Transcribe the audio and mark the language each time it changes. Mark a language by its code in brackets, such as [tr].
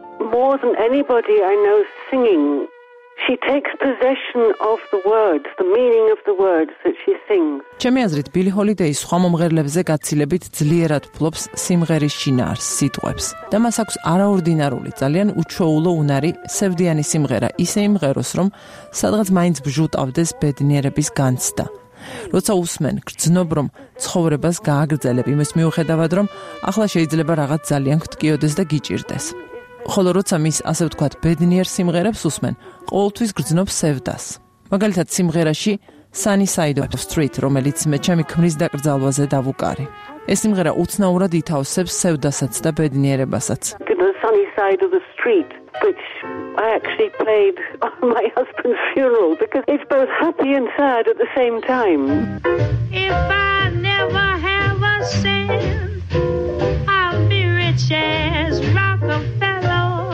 [en] More than anybody I know singing, she takes possession of the words, the meaning of the words that she sings. [ka] ჩემი აზრით, ბილი ჰოლიდეი სხვა მომღერლებზე გაცილებით ძლიერად ფლობს სიმღერის შინაარს, სიტყვებს. და მას აქვს არაორდინარული, ძალიან უჩვეულო უნარი, სევდიანი სიმღერა, ისე იმღეროს, რომ სადღაც მაინც ბჟუტავდეს ბედნიერების განცდა. როცა უსმენ, გრძნობ, რომ ცხოვრებას გააგრძელებ, იმის მიუხედავად, რომ ახლა შეიძლება რაღაც ძალიან გტკიოდეს და გიჭირდეს. ხოლო როცა მის, ასე ვთქვათ, ბედნიერ სიმღერებს უსმენ, ყოველთვის გრძნობს სევდას. მაგალითად, სიმღერაში Sunny Side of the Street, რომელიც მე ჩემი ქმრის დაკრძალვაზე დავუკარი. ეს სიმღერა უცნაურად ითავსებს სევდასაც და ბედნიერებასაც. [en] Sunny Side of the Street, which I actually played on my husband's funeral because it's both happy and sad at the same time. If I never have a cent, I'll be rich as Rockefeller.